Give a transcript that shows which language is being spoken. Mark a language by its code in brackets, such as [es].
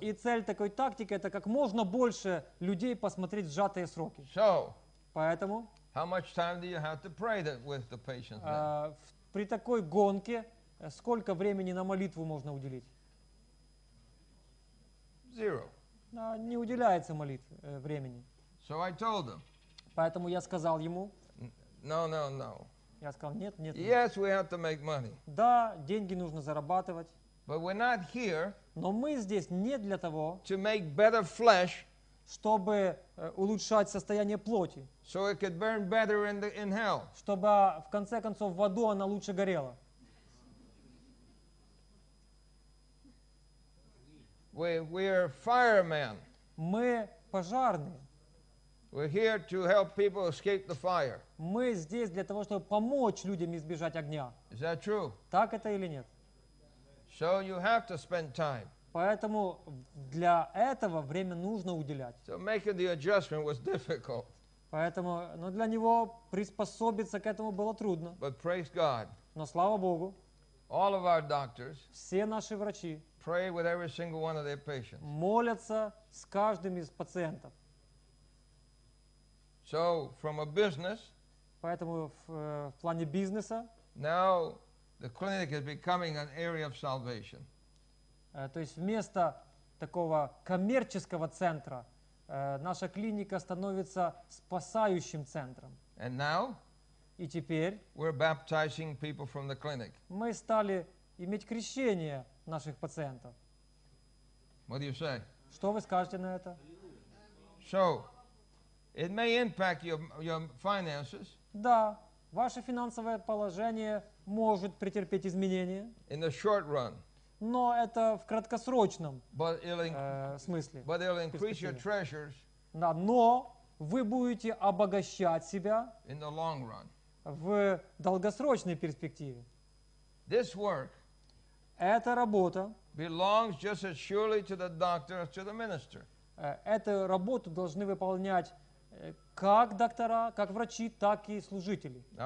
[ru] И цель такой тактики — это как можно больше людей посмотреть в сжатые сроки. [en] So, [ru] поэтому. [en] How much time do you have to pray with the patients? [ru] При такой гонке сколько времени на молитву можно уделить? [en] Zero. [ru] Не уделяется молитв времени. [en] So I told them. [ru] Поэтому я сказал ему. [en] No. [ru] Я сказал, нет. [en] Yes, we have to make money. [ru] Да, деньги нужно зарабатывать. [en] But we're not here. [ru] Но мы здесь не для того. [en] To make better flesh. [ru] Чтобы улучшать состояние плоти. [en] So it could burn better in hell. [ru] Чтобы в конце концов в аду она лучше горела. [en] We are firemen. [ru] Мы пожарные. [en] We're here to help people escape the fire. [ru] Мы здесь для того, чтобы помочь людям избежать огня. [en] Is that true? [ru] Так это или нет? [en] So you have to spend time. [ru] Поэтому для этого время нужно уделять. [en] So making the adjustment was difficult. [ru] Поэтому, для него приспособиться к этому было трудно. [en] But praise God. [ru] Но слава Богу. [en] All of our doctors. [ru] Все наши врачи. [en] Pray with every single one of their patients. [ru] Молятся с каждым из пациентов. [en] So, from a business, [ru] поэтому в плане бизнеса, [en] now the clinic is becoming an area of salvation. [ru] То есть вместо такого коммерческого центра, наша клиника становится спасающим центром. [en] And now, [ru] и теперь, [en] we're baptizing people from the clinic. [ru] Мы стали иметь крещение наших пациентов. [en] What do you say? [ru] Что вы скажете на это? [en] So, it may impact your finances. [ru] Да, ваше финансовое положение может претерпеть изменения. [en] In the short run. [ru] Но это в краткосрочном смысле. [en] But it'll increase your treasures. [ru] Да, но вы будете обогащать себя. [en] In the long run. [ru] В долгосрочной перспективе. [en] This work. [ru] Эта работа. [en] Belongs just as surely to the doctor as to the minister. [ru] Эту работу должны выполнять как доктора, как врачи, так и служители.